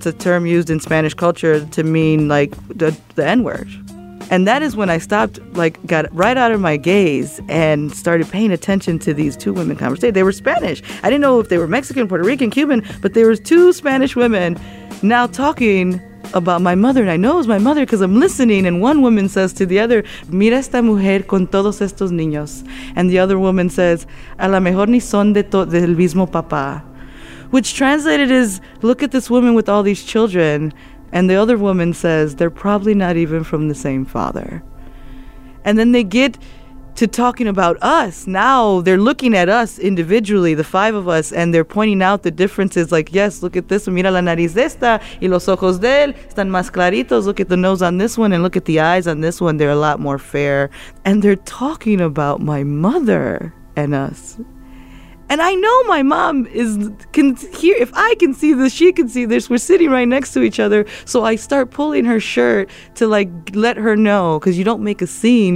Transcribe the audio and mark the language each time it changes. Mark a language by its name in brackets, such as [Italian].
[English] It's a term used in Spanish culture to mean like the N-word. And that is when I stopped, like got right out of my gaze and started paying attention to these two women conversation. They were Spanish. I didn't know if they were Mexican, Puerto Rican, Cuban, but there was two Spanish women now talking about my mother, and I know it was my mother because I'm listening. And one woman says to the other, [Spanish] mira esta mujer con todos estos niños. [English] And the other woman says, [Spanish] a la mejor ni son de del mismo papá. [English] Which translated is, look at this woman with all these children. And the other woman says, they're probably not even from the same father. And then they get to talking about us. Now they're looking at us individually, the five of us, and they're pointing out the differences. Like, yes, look at this one. [Spanish] Mira la nariz de esta y los ojos de él están más claritos. [English] Look at the nose on this one, and look at the eyes on this one. They're a lot more fair. And they're talking about my mother and us. And I know my mom can hear, if I can see this, she can see this. We're sitting right next to each other. So I start pulling her shirt to like let her know, because you don't make a scene.